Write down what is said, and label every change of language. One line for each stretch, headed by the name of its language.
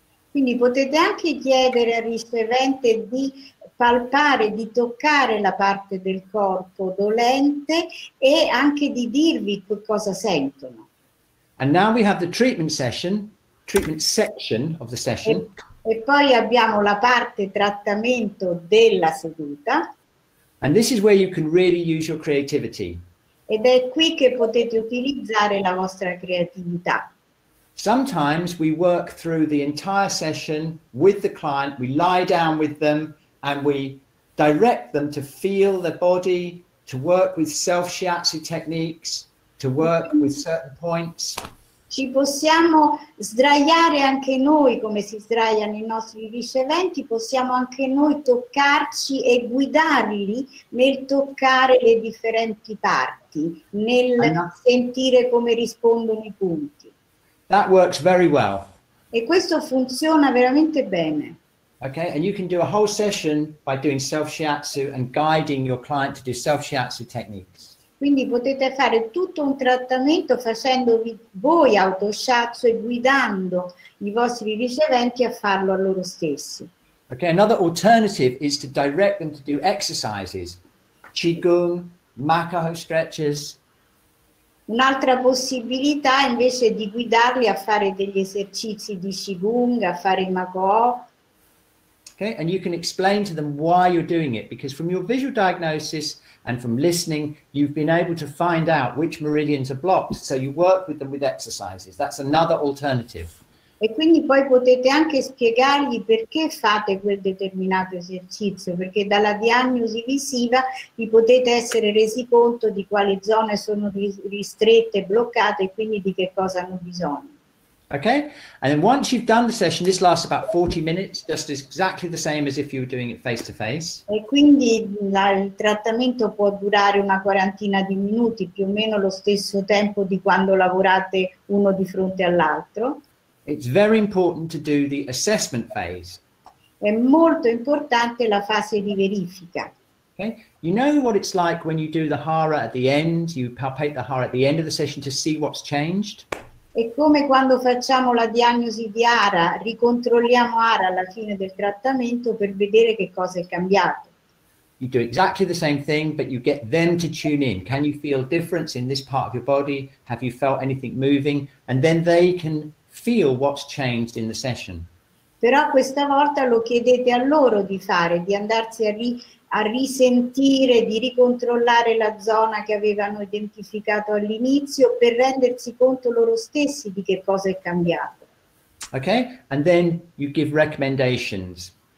Italian: Quindi potete anche chiedere al ricevente di palpare, di toccare la parte del corpo dolente e anche di dirvi cosa sentono.
English: And now we have the treatment section of the session.
Italian: E poi abbiamo la parte trattamento della seduta.
English: And this is where you can really use your creativity.
Italian: Ed è qui che potete utilizzare la vostra creatività.
English: Sometimes we work through the entire session with the client, we lie down with them and we direct them to feel their body, to work with self-shiatsu techniques, to work with certain points.
Italian: Ci possiamo sdraiare anche noi come si sdraiano i nostri riceventi, possiamo anche noi toccarci e guidarli nel toccare le differenti parti, nel sentire come rispondono i punti.
English: That works very well.
Italian: E questo funziona veramente bene.
English: Okay, and you can do a whole session by doing self shiatsu and guiding your client to do self shiatsu techniques.
Italian: Quindi potete fare tutto un trattamento facendovi voi auto shiatsu e guidando i vostri riceventi a farlo a loro stessi.
English: Okay, another alternative is to direct them to do exercises, qigong, macaho stretches.
Italian: Un'altra possibilità invece di guidarli a fare degli esercizi di qigong, a fare mago.
English: Okay, and you can explain to them why you're doing it, because from your visual diagnosis and from listening, you've been able to find out which meridians are blocked, so you work with them with exercises. That's another alternative.
Italian: E quindi poi potete anche spiegargli perché fate quel determinato esercizio, perché dalla diagnosi visiva vi potete essere resi conto di quali zone sono ristrette, bloccate e quindi di che cosa hanno bisogno.
English: Okay, and then once you've done the session, this lasts about 40 minutes, just exactly the same as if you were doing it face to face.
Italian: E quindi il trattamento può durare una quarantina di minuti, più o meno lo stesso tempo di quando lavorate uno di fronte all'altro.
English: It's very important to do the assessment phase.
Italian: È molto importante la fase di verifica.
English: Okay? You know what it's like when you do the hara at the end, you palpate the hara at the end of the session to see what's changed?
Italian: È come quando facciamo la diagnosi di hara, ricontrolliamo hara alla fine del trattamento per vedere che cosa è cambiato.
English: You do exactly the same thing, but you get them to tune in. Can you feel difference in this part of your body? Have you felt anything moving? And then they can feel what's changed in the session.
Italian: Però questa volta lo chiedete a loro di fare, di andarsi a risentire, di ricontrollare la zona che avevano identificato all'inizio per rendersi conto loro stessi di che cosa è cambiato.
English: Okay, and then you give recommendations.